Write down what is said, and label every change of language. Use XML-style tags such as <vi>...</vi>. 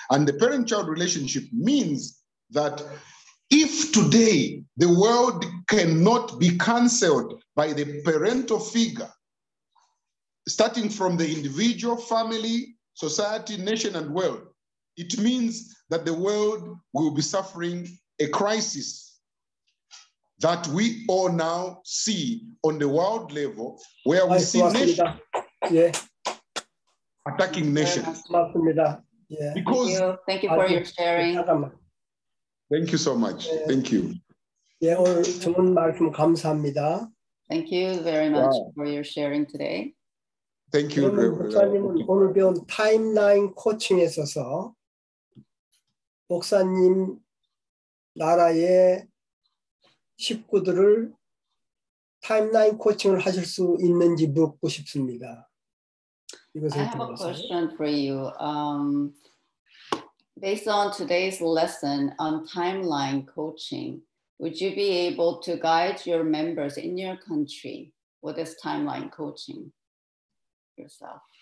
<en>And the parent-child relationship means that if today the world cannot be cancelled by the parental figure, starting from the individual, family, society, nation, and world, it means that the world will be suffering a crisis that we all now see on the world level, where we see nations attacking nations. Because thank you for your sharing. Thank you so much. Thank you.</en> <ko>Yeah, 오늘 좋은 말씀 감사합니다.</ko> <en>Thank you very much for your sharing today. Thank you.</en> <ko>목사님은 오늘 배운 타임라인 코칭에 있어서 목사님 나라의 식구들을 타임라인 코칭을 하실 수 있는지 묻고 싶습니다.</ko> <en>I have a question for you. Based on today's lesson on timeline coaching, would you be able to guide your members in your country with this timeline coaching yourself?</en>